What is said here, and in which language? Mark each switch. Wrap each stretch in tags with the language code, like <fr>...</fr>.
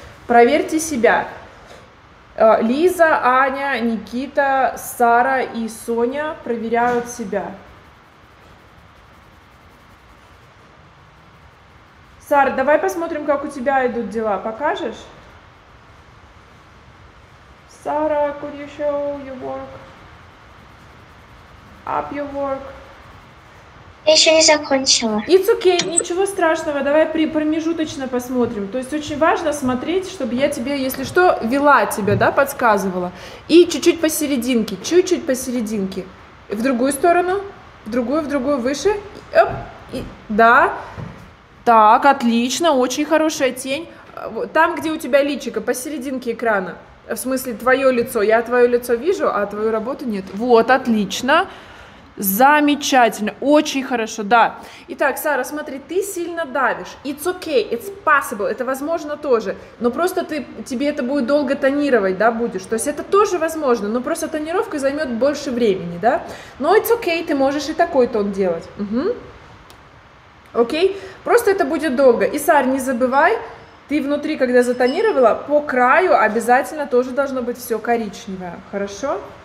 <ru>Проверьте себя. Лиза, Аня, Никита, Сара и Соня проверяют себя. Сара, давай посмотрим, как у тебя идут дела. Покажешь?</ru> <en>Сара, could you show your work? Up your work.</en> <ru>Я еще не закончила.</ru> <en>It's okay,</en> <ru>ничего страшного, давай промежуточно посмотрим. То есть очень важно смотреть, чтобы я тебе, если что, вела тебя, да, подсказывала. И чуть-чуть посерединке, чуть-чуть посерединке. В другую сторону, в другую, выше. Оп, и, да, так, отлично, очень хорошая тень. Там, где у тебя личико, посерединке экрана. В смысле, твое лицо, я твое лицо вижу, а твою работу нет. Вот, отлично. Замечательно, очень хорошо, да. Итак, Сара, смотри, ты сильно давишь.</ru> <en>It's okay, it's possible,</en> <ru>это возможно тоже. Но просто ты, тебе это будет долго тонировать, да, будешь. То есть это тоже возможно, но просто тонировка займет больше времени, да. Но</ru> <en>it's okay,</en> <ru>ты можешь и такой тон делать. Угу. Окей, просто это будет долго. И, Сара, не забывай, ты внутри, когда затонировала, по краю обязательно тоже должно быть все коричневое, хорошо?</ru>